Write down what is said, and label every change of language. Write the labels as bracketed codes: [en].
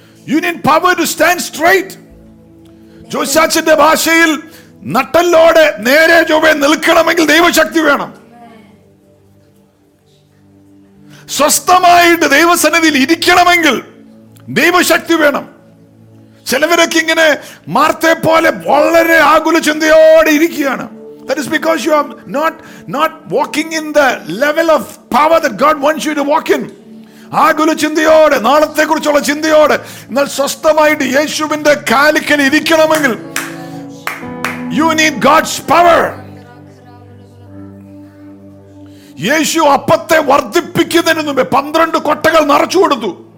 [en] You need power to stand straight. Joshua's language, [ml] നട്ടല്ലോടെ നേരെ ചൊവ്വേ നിൽക്കണമെങ്കിൽ ദൈവശക്തി വേണം. സ്വസ്ഥമായിട്ട് ദൈവസന്നിധിയിൽ ഇരിക്കണമെങ്കിൽ ദൈവശക്തി വേണം. ചിലവരൊക്കെ ഇങ്ങനെ മാർത്തയെ പോലെ വളരെ ആകുല ചിന്തയോടെ ഇരിക്കുകയാണ്. [en] That is because you are not walking in the level of power that God wants you to walk in. [ml] ആകുല ചിന്തയോടെ നാളത്തെ കുറിച്ചുള്ള ചിന്തയോടെ എന്നാൽ സ്വസ്ഥമായിട്ട് യേശുവിന്റെ കാലിക്കൽ ഇരിക്കണമെങ്കിൽ [en] you need God's power. [ml] യേശു അപ്പത്തെ വർദ്ധിപ്പിക്കുന്നതിന് മുമ്പേ 12 കൊട്ടകൾ നിറച്ചു കൊടുത്തു.